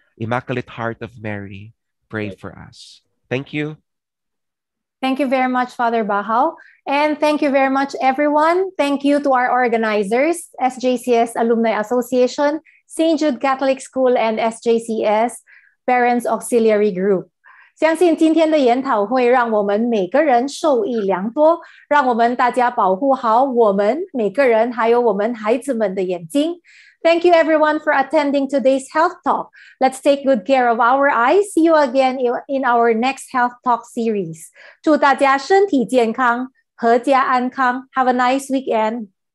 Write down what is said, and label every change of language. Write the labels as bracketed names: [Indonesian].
[English] Immaculate Heart of Mary, pray for us. Thank you. Thank you very much, Father Bahaw. And thank you very much, everyone. Thank you to our organizers, SJCS Alumni Association, St. Jude Catholic School, and SJCS Parents Auxiliary Group. [Chinese] 相信今天的研讨会让我们每个人受益良多，让我们大家保护好我们每个人还有我们孩子们的眼睛。 [English] Thank you everyone for attending today's health talk. Let's take good care of our eyes. See you again in our next health talk series. [Chinese] 祝大家身体健康，阖家安康。 [English] Have a nice weekend.